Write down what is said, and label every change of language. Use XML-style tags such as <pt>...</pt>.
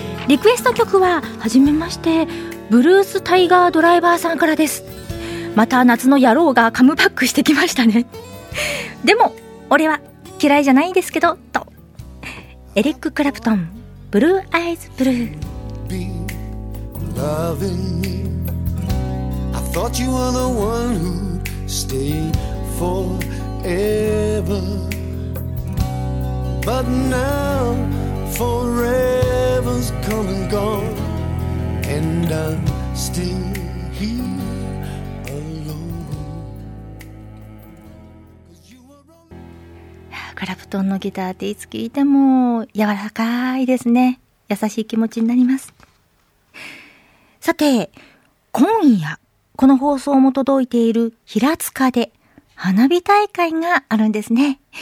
<ja>リクエスト曲は、初めまして、ブルースタイガードライバーさんからです。また夏の野郎がカムバックしてきましたねでも俺は嫌いじゃないんですけどと。エリック・クラプトン、ブルーアイズブルー。</ja> <en>Loving me, I thought you were the one who'd stay forever. But now forever's come and gone, and I'm still here alone.</en> <ja>トンのギターっていつ聴いても柔らかいですね。優しい気持ちになります。さて今夜この放送も届いている平塚で花火大会があるんですね。</ja>